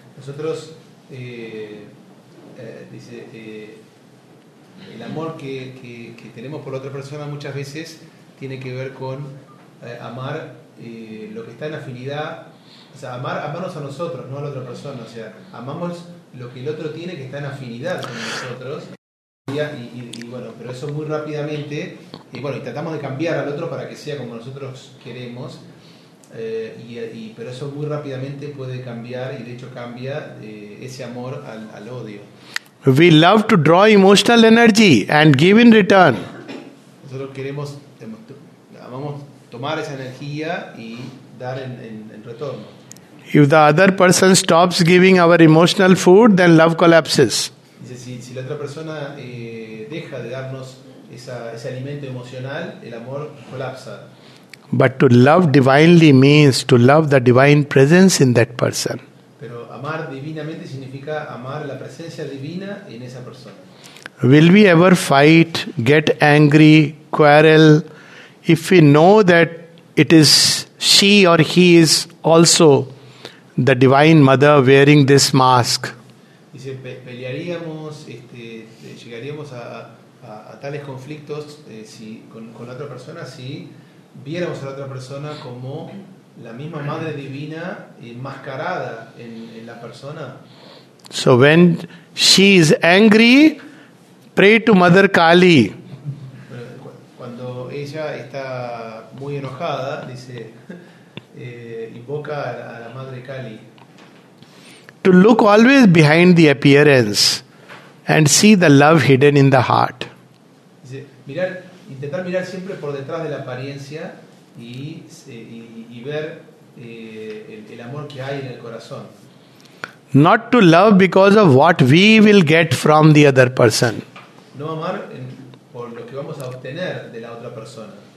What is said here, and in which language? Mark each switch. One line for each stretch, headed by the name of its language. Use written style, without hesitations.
Spanish: Nosotros, el amor que tenemos por otra persona muchas veces tiene que ver con amar lo que está en afinidad, o sea, amarnos a nosotros, no a la otra persona, o sea, amamos lo que el otro tiene que está en afinidad con nosotros, y bueno, pero eso muy rápidamente, y bueno, y tratamos de cambiar al otro para que sea como nosotros queremos, pero eso muy rápidamente puede cambiar, y de hecho cambia ese amor al odio.
English: We love to draw emotional energy and give in return.
Spanish: Nosotros queremos, amamos tomar esa energía y dar en retorno.
English: If the other person stops giving our emotional food, then love collapses.
Spanish: Dice, si la otra persona deja de darnos ese alimento emocional, el amor colapsa.
English: But to love divinely means to love the divine presence in that person.
Spanish: Pero amar divinamente significa amar la presencia divina en esa persona.
English: Will we ever fight, get angry, quarrel, if we know that it is she or he is also the divine mother wearing this mask.
Spanish: Dice, pelearíamos, llegaríamos a tales conflictos si, con la otra persona si viéramos a la otra persona como la misma madre divina enmascarada en la persona.
English: So when she is angry, pray to Mother Kali.
Spanish: Cuando ella está muy enojada, dice, invoca a la madre Kali.
English: To look always behind the appearance and see the love hidden in the heart.
Spanish: Dice, intentar mirar siempre por detrás de la apariencia y ver el amor que hay en el corazón.
English: Not to love because of what we will get from the other person.
Spanish: No amar por lo que vamos a obtener de la otra persona.